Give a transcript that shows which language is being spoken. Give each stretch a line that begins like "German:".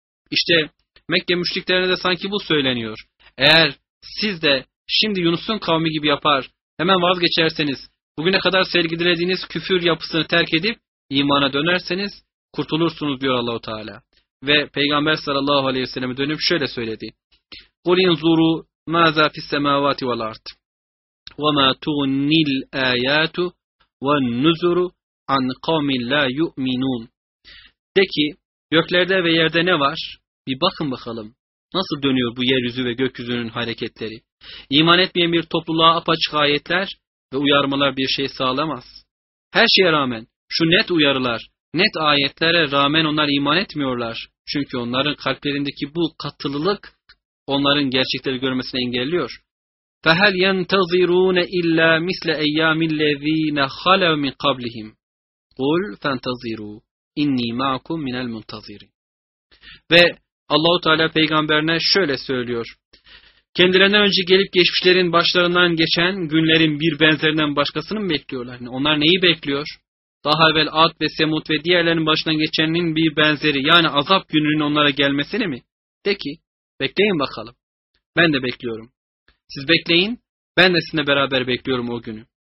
Turkish: İşte Mekke müşriklerine de sanki bu söyleniyor. Eğer siz de şimdi Yunus'un kavmi gibi yapar, hemen vazgeçerseniz, bugüne kadar sergilediğiniz küfür yapısını terk edip imana dönerseniz kurtulursunuz diyor Allah-u Teala. Ve Peygamber sallallahu aleyhi ve selleme dönüp şöyle söyledi.
Arabic: قُلْ اِنْزُرُوا مَا ذَا فِي السَّمَاوَاتِ وَالْاَرْضِ وَمَا تُغْنِي الْآيَاتُ وَالنُّزُرُ عَنْ قَوْمٍ لَا يُؤْمِنُونَ
Turkish: De ki, göklerde ve yerde ne var? Bir bakın bakalım. Nasıl dönüyor bu yeryüzü ve gökyüzünün hareketleri? İman etmeyen bir topluluğa apaçık ayetler ve uyarmalar bir şey sağlamaz. Her şeye rağmen, şu net uyarılar, net ayetlere rağmen onlar iman etmiyorlar. Çünkü onların kalplerindeki bu katılılık onların gerçekleri görmesini engelliyor.
Arabic: فَهَلْ يَنْتَظِرُونَ اِلَّا مِثْلَ اَيَّامِ الَّذ۪ينَ خَلَوْ مِنْ قَبْلِهِمْ قُلْ فَانْتَظِرُوا اِنِّي مَعْكُمْ مِنَ الْمُنْتَظِرِينَ
Turkish: Ve Allah-u Teala peygamberine şöyle söylüyor. Kendilerinden önce gelip geçmişlerin başlarından geçen günlerin bir benzerinden başkasını mı bekliyorlar? Yani onlar neyi bekliyor? Daha evvel Ad ve Semud ve diğerlerinin başından geçenin bir benzeri yani azap gününün onlara gelmesini mi? De ki, bekleyin bakalım. Ben de bekliyorum. Siz bekleyin, ben de sizinle beraber bekliyorum o günü.